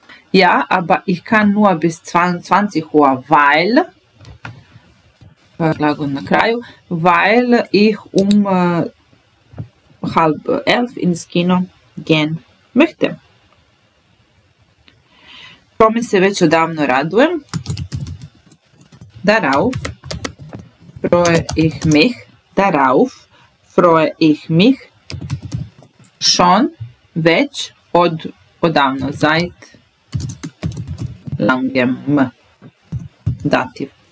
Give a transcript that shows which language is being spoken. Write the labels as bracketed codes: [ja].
[de] Ja, aber ich kann nur bis 22 Uhr, weil, [bs] na kraju, [de] weil ich um halb elf ins Kino gehen möchte. [bs] Tome se već odavno radujem. [de] Darauf freue ich mich, darauf freue ich mich schon [bs] već odavno, [de] seit langem Dativ.